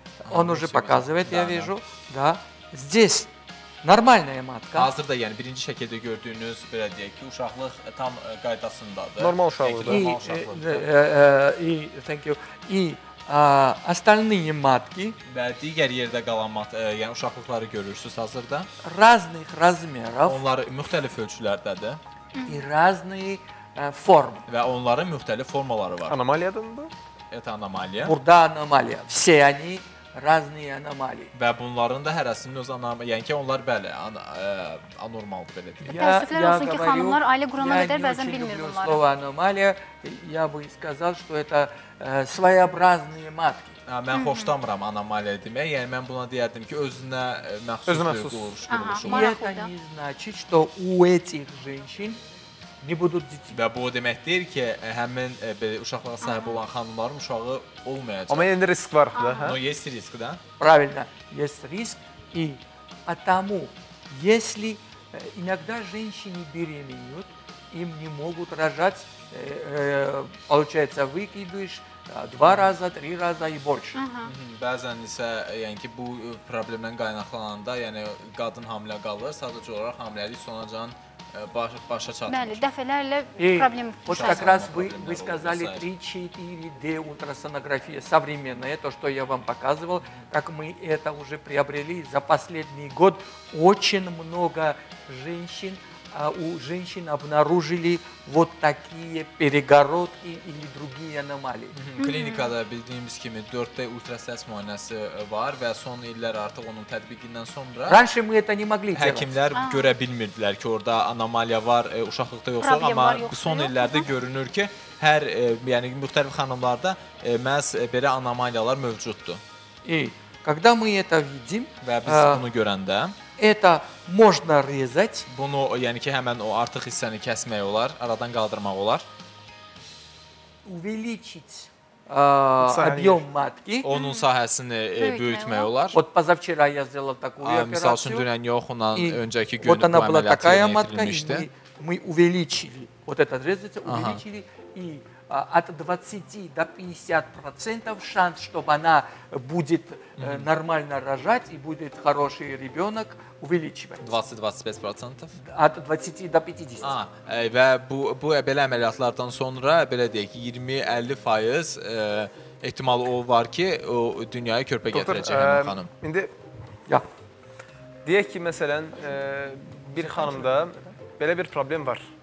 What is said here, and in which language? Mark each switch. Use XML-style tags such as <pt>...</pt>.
<ru>Он уже показывает, я вижу. Да. Здесь нормальная матка.</ru> <az>Hazırda, yəni birinci şəkildə gördüyünüz, belə deyək ki, uşaqlıq tam qaydasındadır. Normal uşaqlıqdır.</az> <ru>И,</ru> <en>thank you.</en> <ru>И остальные матки.</ru> <az>Və digər yerdə qalan mat, yəni uşaqlıqları görürsüz hazırda.</az> <ru>Разных размеров.</ru> <az>Onlar müxtəlif ölçülərdədir.</az> <ru>И разные формы.</ru> <az>Və onların müxtəlif formaları var. Anomaliyadır bu?</az> <ru>Это аномалия.</ru> <az>Burada anomaliya.</az> <ru>Все они разные аномалии.</ru> <az>Və bunların da hərəsinin öz anomaliyası, yəni ki onlar bəli, anormaldır belə deyək. Təəssüflər olsun ki, xanımlar ailə qurana qədər bəzən bilmir bunları.</az> <ru>Слово аномалия, я бы сказал, что это своеобразные матки.</ru> <az>Mən xoşlamıram anomaliya demək. Yəni mən buna deyərdim ki, özünə məxsus bir quruluş. Aha, maraqlıdır.</az> <ru>Это не значит, что у этих женщин не будут дети.</ru> <az>Və bu deməkdir ki, həmin belə uşaqlara sahib olan xanımların uşağı olmayacaq. Amma yenə risk var, da, hə?</az> <ru>Но есть риск, да? Правильно. Есть риск и потому, если иногда женщины беременеют, им не могут рожать, получается, выкидыш 2 раза, 3 раза и больше.</ru> <az>Bəzən isə yəni ki, bu problemdən qaynaqlananda, yəni qadın hamilə qalır, sadəcə olaraq hamiləlik sonacan başa çatır. Bəli, dəfələrlə problem.</az> <ru>Вот как раз вы сказали 3-4D ультрасонография современная, то, что я вам показывал, как мы это уже приобрели за последний год. Очень много женщин, у женщин обнаружили вот такие перегородки или другие аномалии.</ru> <az>Клиникада bildiğimiz kimi 4D ультрасес müayinəsi var və son illər artıq onun tətbiqindən sonra</az> <ru>Раньше мы это не могли делать.</ru> <az>Həkimlər görə bilmirdilər ki, orada anomaliya var, uşaqlıqda yoxsa, amma son illərdə görünür ki, hər yəni müxtəlif xanımlarda məhz belə anomaliyalar mövcuddur.</az> <ru>И когда мы это видим,</ru> <az>və biz bunu görəndə</az> <ru>Это можно резать.</ru> <az>Bunu, yəni ki, həmən o artıq hissəni kəsmək olar, aradan qaldırmaq olar.</az> <ru>Увеличить объём матки.</ru> <az>Onun sahəsini böyütmək olar.</az> <ru>Вот позавчера я сделал такую операцию.</ru> <az>Misal üçün, dünən yox, ondan öncəki gün bu əməliyyat yenilmişdi.</az> <ru>Мы увеличили. Вот этот резать увеличили и от 20 до 50% шанс, чтобы она будет нормально рожать и будет хороший ребенок, увеличивается. 20-25%? От 20 до 50.</ru> <az>Və bu belə əməliyyatlardan sonra, belə deyək ki, 20-50% ehtimalı o var ki, o dünyaya körpə gətirəcək həmin xanım. İndi, ya. Deyək ki, məsələn, bir xanımda belə bir problem var.</az>